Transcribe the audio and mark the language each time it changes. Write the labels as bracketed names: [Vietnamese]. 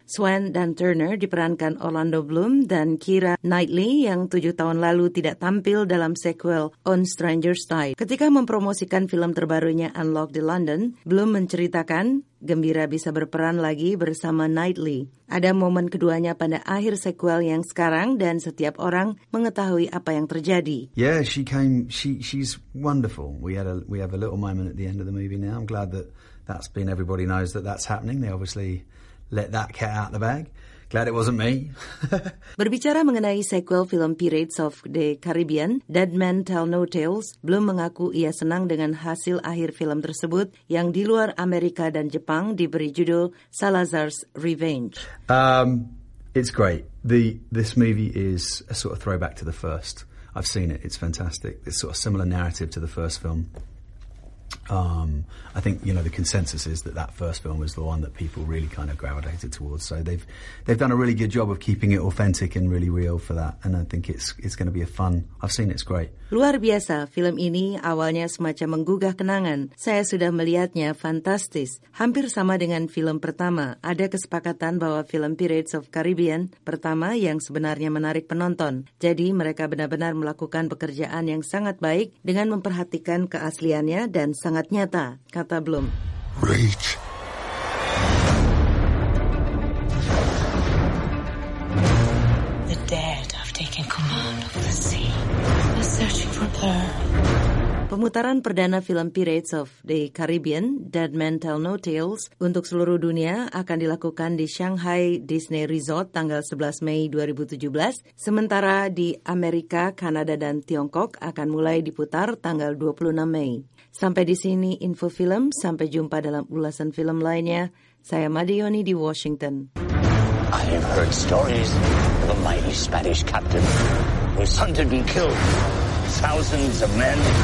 [Indonesian] Swann dan Turner diperankan Orlando Bloom dan Keira Knightley yang 7 tahun lalu tidak tampil dalam sequel On Stranger's Tide. Ketika mempromosikan film terbarunya Unlocked in London, Bloom menceritakan, gembira bisa berperan lagi bersama Knightley. Ada momen keduanya pada akhir sequel yang sekarang dan setiap orang mengetahui apa yang terjadi. [English] Yeah, she's wonderful. We have a little moment at the end of the movie now. I'm glad that's been, everybody knows that's happening. They obviously let that cat out of the bag. Glad it wasn't me. [Indonesian] Berbicara mengenai sequel film Pirates of the Caribbean, Dead Men Tell No Tales, Bloom mengaku ia senang dengan hasil akhir film tersebut yang di luar Amerika dan Jepang diberi judul Salazar's Revenge. [English] It's great. This movie is a sort of throwback to the first. I've seen it. It's fantastic. It's sort of similar narrative to the first film. I think, you know, the consensus is that first film was the one that people really kind of gravitated towards. So they've done a really good job of keeping it authentic and really real for that. And I think it's going to be a fun. I've seen it, it's great. [Indonesian] Luar biasa, film ini awalnya semacam menggugah kenangan. Saya sudah melihatnya, fantastis. Hampir sama dengan film pertama. Ada kesepakatan bahwa film Pirates of Caribbean pertama yang sebenarnya menarik penonton. Jadi mereka benar-benar melakukan pekerjaan yang sangat baik dengan memperhatikan keasliannya dan sangat nyata, kata Bloom. [English] Rage. The dead have taken command of the sea. They're searching for her. [Indonesian] Pemutaran perdana film Pirates of the Caribbean, Dead Men Tell No Tales, untuk seluruh dunia akan dilakukan di Shanghai Disney Resort tanggal 11 Mei 2017, sementara di Amerika, Kanada, dan Tiongkok akan mulai diputar tanggal 26 Mei. Sampai di sini info film, sampai jumpa dalam ulasan film lainnya. Saya Madioni di Washington. [English] I have heard stories of a mighty Spanish captain who hunted and killed thousands of men.